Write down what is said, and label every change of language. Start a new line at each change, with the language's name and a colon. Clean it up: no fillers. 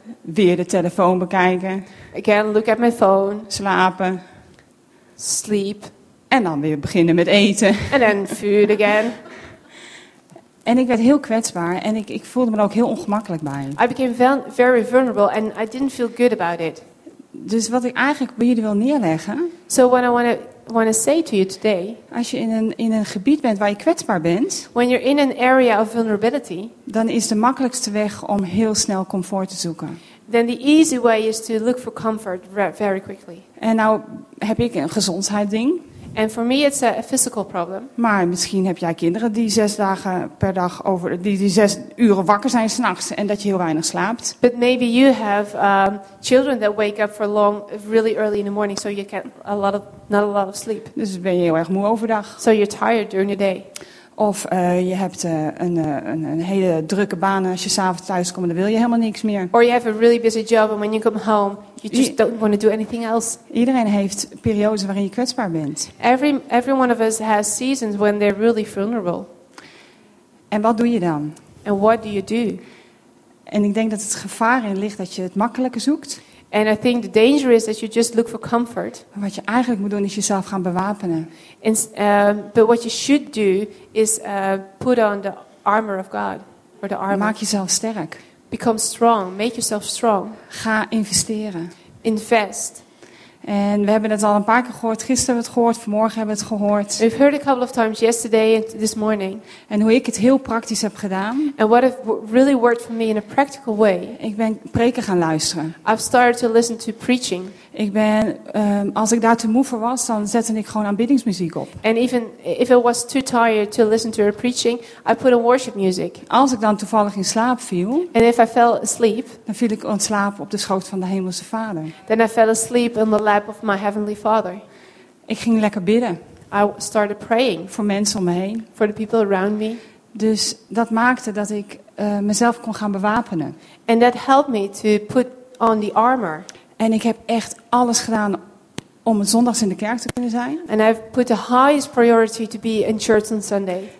Dutch: Weer de telefoon bekijken.
English: Again, look at my phone.
Dutch: Slapen.
English: Sleep.
Dutch: En dan weer beginnen met eten.
English: And then food again.
Dutch: En ik werd heel kwetsbaar en ik voelde me er ook heel ongemakkelijk bij.
English: I became very vulnerable and I didn't feel good about it.
Dutch: Dus wat ik eigenlijk bij jullie wil neerleggen.
English: So what I want to say to you today.
Dutch: Als je in een gebied bent waar je kwetsbaar bent.
English: When you're in an area of vulnerability.
Dutch: Dan is de makkelijkste weg om heel snel comfort te zoeken.
English: then the easy way is to look for comfort very quickly.
Dutch: En nou heb ik een gezondheidsding.
English: And for me it's a physical problem.
Dutch: Maar misschien heb jij kinderen die 6 dagen per dag over die 6 uren wakker zijn 's nachts en dat je heel weinig slaapt.
English: But maybe you have children that wake up for long, really early in the morning, so you get not a lot of sleep.
Dutch: Dus ben je heel erg moe overdag.
English: So you're tired during the day.
Dutch: Of je hebt een hele drukke baan. Als je 's avonds thuis komt, dan wil je helemaal niks meer.
English: Or you have a really busy job and when you come home, you just don't want to do anything else.
Dutch: Iedereen heeft periodes waarin je kwetsbaar bent.
English: Every one of us has seasons when they're really vulnerable.
Dutch: En wat doe je dan?
English: And what do you do?
Dutch: En ik denk dat het gevaar in ligt dat je het makkelijke zoekt.
English: And I think the danger is that you just look for comfort.
Dutch: Wat je eigenlijk moet doen is jezelf gaan bewapenen.
English: And, but what you should do is put on the armor of God. Or the armor.
Dutch: Maak jezelf sterk.
English: Become strong. Make yourself strong.
Dutch: Ga investeren.
English: Invest.
Dutch: En we hebben het al een paar keer gehoord. Gisteren hebben we het gehoord. Vanmorgen hebben we het gehoord.
English: We've heard a couple of times yesterday and this morning.
Dutch: En hoe ik het heel praktisch heb gedaan.
English: And what have really worked for me in a practical way.
Dutch: Ik ben preken gaan luisteren.
English: I've started to listen to preaching.
Dutch: Ik ben, als ik daar te moe voor was, dan zette ik gewoon aanbiddingsmuziek op.
English: And even if I was too tired to listen to a preaching, I put on worship music.
Dutch: Als ik dan toevallig in slaap viel.
English: And if I fell asleep.
Dutch: Dan viel ik in slaap op de schoot van de hemelse Vader.
English: Then I fell asleep on the lap of my heavenly Father.
Dutch: Ik ging lekker bidden.
English: I started praying.
Dutch: Voor mensen om me heen.
English: For the people around me.
Dutch: Dus dat maakte dat ik mezelf kon gaan bewapenen.
English: And that helped me to put on the armor.
Dutch: En ik heb echt alles gedaan om het zondags in de kerk te kunnen zijn.
English: And I've put the highest priority to be in church on Sunday.